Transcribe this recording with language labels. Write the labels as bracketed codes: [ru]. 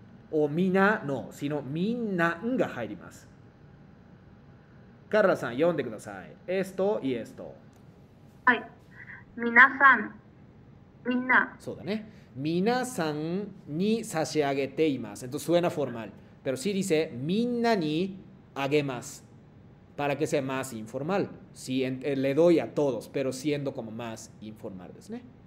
[es] O mina, no, sino minnan [ja] が入ります。カルラさん、読んでください。 [es] Esto y esto。 [ja] はい。皆さん、みんな。そうだね。皆さんに差し上げています。 [es] Entonces suena formal. Pero sí dice, [ja] みんなにあげます。 [es] Para que sea más informal. Sí, le doy a todos, pero siendo como más informal [ja] ですね。